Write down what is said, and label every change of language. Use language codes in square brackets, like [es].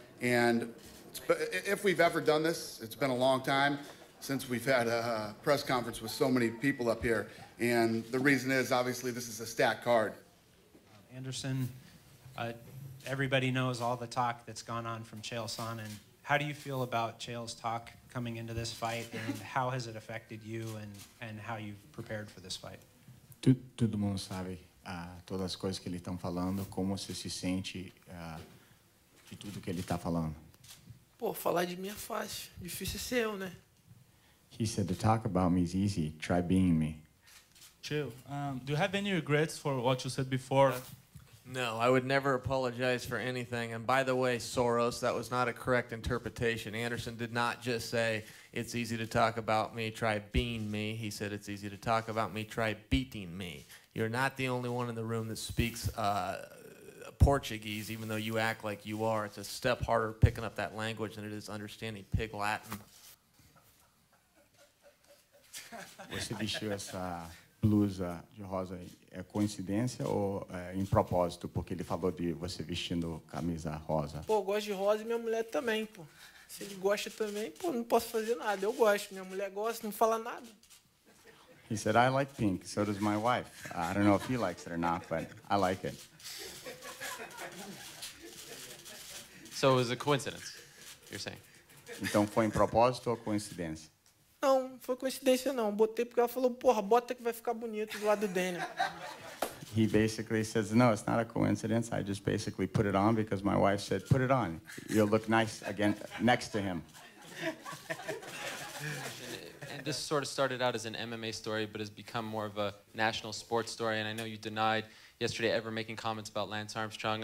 [en] And if we've ever done this, it's been a long time since we've had a press conference with so many people up here. And the reason is, obviously, this is a stacked card. Anderson, Everybody knows all the talk that's gone on from Chael Sonnen. How do you feel about Chael's talk coming into this fight, and how has it affected you and how you've prepared for this fight? [pt] Todo mundo sabe todas as coisas que ele está falando, como você se sente de tudo que ele está falando. Pô, falar de mim é fácil. Difícil é ser eu, né? [en] He said, to talk about me is easy. Try being me. Chael, do you have any regrets for what you said before? No, I would never apologize for anything. And by the way, Soros, that was not a correct interpretation. Anderson did not just say, it's easy to talk about me, try being me. He said, it's easy to talk about me, try beating me. You're not the only one in the room that speaks Portuguese, even though you act like you are. It's a step harder picking up that language than it is understanding Pig Latin. [pt] Você vestiu essa blusa de rosa é coincidência ou é em propósito? Porque ele falou de você vestindo camisa rosa. Pô, eu gosto de rosa e minha mulher também, pô. Se ele gosta também, pô, não posso fazer nada. Eu gosto, minha mulher gosta, não fala nada. [en] He said, I like pink, so does my wife. I don't know if he likes it or not, but I like it. So it was a coincidence, you're saying? [pt] Então foi em propósito ou coincidência? Não, foi coincidência não. Botei porque ela falou, porra, bota que vai ficar bonito do lado do Daniel. [en] He basically says, no, it's not a coincidence. I just basically put it on because my wife said, put it on. You'll look nice again next to him. And this sort of started out as an MMA story, but has become more of a national sports story. And I know you denied yesterday ever making comments about Lance Armstrong.